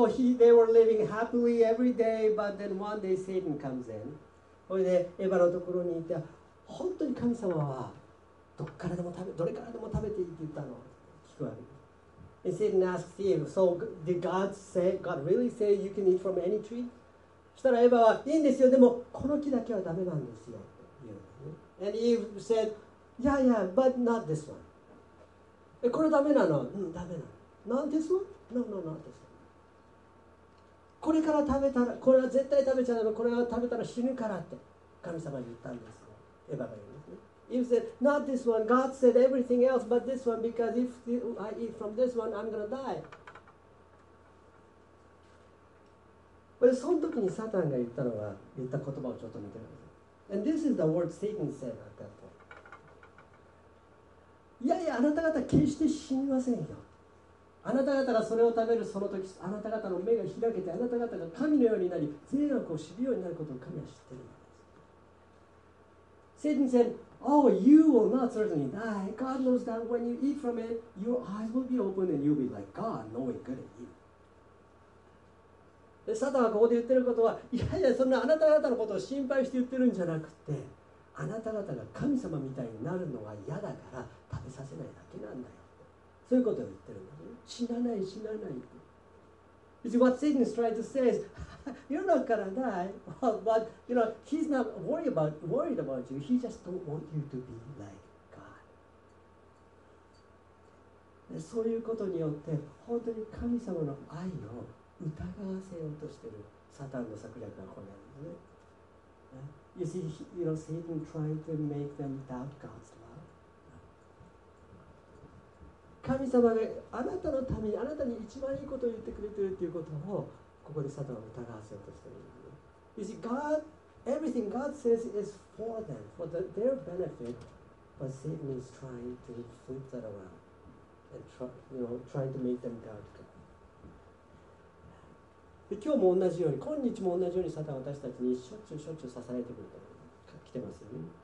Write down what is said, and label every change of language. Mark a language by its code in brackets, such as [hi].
[en] So they were living happily every day, but then one day Satan comes in. [ja] それでエヴァのところにいて、本当に神様はどれからでも食べていいって言ったの？聞くわけ。 [en] And Satan asks Eve, so did God really say you can eat from any tree? [ja] したらエヴァは、いいんですよ、でもこの木だけはダメなんですよ。 [en] And Eve said, yeah, yeah, but not this one. [ja] これダメなの？うん、ダメなの。 [en] Not this one? No, not this one. [ja] これから食べたら、これは絶対食べちゃダメ、これは食べたら死ぬからって神様に言ったんです。エヴァが言うんですね。 [en] Eve said, not this one. God said everything else but this one because if I eat from this one, I'm gonna die. [ja] これ、その時にサタンが言ったのは、言った言葉をちょっと見てください。 [en] And this is the word Satan said at that point. [ja] いやいや、あなた方決して死にませんよ。あなた方がそれを食べるその時、あなた方の目が開けて、あなた方が神のようになり、善悪を知るようになることを神は知っているんです。 [en] Satan said, Oh, you will not certainly die. God knows that when you eat from it, your eyes will be open and you'll be like God, knowing good and evil. [ja] でサタンはここで言ってることは、いやいや、そんなあなた方のことを心配して言ってるんじゃなくて、あなた方が神様みたいになるのは嫌だから食べさせないだけなんだよ。そういうことを言ってるんだよ。死なない、死なない。 [en] It's what Satan is trying to say is, you're not gonna die, but you know, he's not worried about you. He just don't want you to be like God. [ja] でそういうことによって、本当に神様の愛を疑わせようとしているサタンの策略がこれなんですね。 [en] You see, you know, Satan trying to make them doubt God's love. [ja] 神様があなたのために、あなたに一番いいことを言ってくれているということを、ここでサタンは疑わせようとしているんですね。 [en] You see, God, everything God says is for them, for their benefit, but Satan is trying to flip that around and trying to make them doubt God. [ja] で今日も同じように、今日も同じようにサタンは私たちにしょっちゅうしょっちゅう刺されてくると来てますよね。